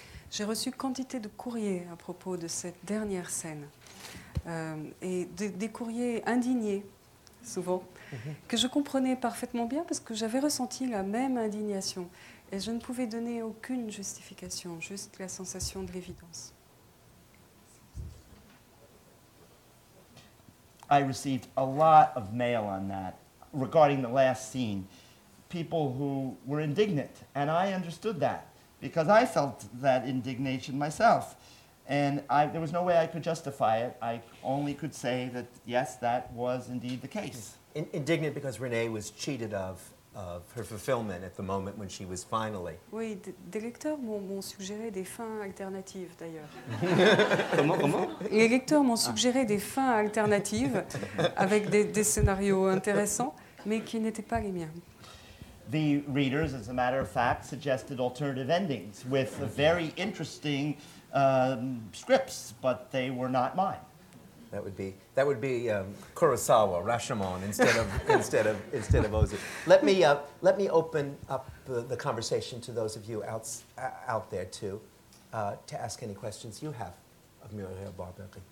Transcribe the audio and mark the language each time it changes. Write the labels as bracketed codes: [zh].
[fr] J'ai reçu quantité de courriers à propos de cette dernière scène, et des courriers indignés, souvent, que je comprenais parfaitement bien parce que j'avais ressenti la même indignation, et je ne pouvais donner aucune justification, juste la sensation de l'évidence. [en] I received a lot of mail on that regarding the last scene. People who were indignant, and I understood that because I felt that indignation myself, and there was no way I could justify it. I only could say that yes, that was indeed the case. Indignant because Renee was cheated of her fulfillment at the moment when she was finally. [fr] Oui, des lecteurs m'ont suggéré des fins alternatives d'ailleurs. Comment? Les lecteurs m'ont suggéré des fins alternatives avec des scénarios intéressants, mais qui n'étaient pas les miens. [en] The readers, as a matter of fact, suggested alternative endings with very interesting scripts, but they were not mine. That would be Kurosawa, Rashomon, instead of Ozu. Let me open up the conversation to those of you out there too, to ask any questions you have of Muriel Barbery.